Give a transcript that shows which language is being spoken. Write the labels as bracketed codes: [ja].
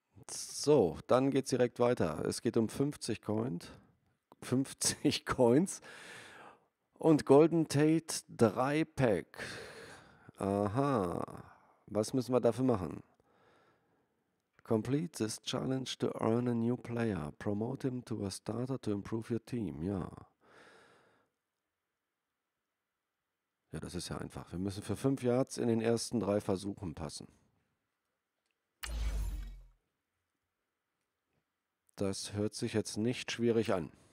[de] So, dann geht es direkt weiter. Es geht um 50 Coins. 50 Coins. Und Golden Tate 3 Pack. Aha. Was müssen wir dafür machen? [en] Complete this challenge to earn a new player. Promote him to a starter to improve your team. [de] Ja. Ja, das ist ja einfach. Wir müssen für 5 Yards in den ersten 3 Versuchen passen. Das hört sich jetzt nicht schwierig an.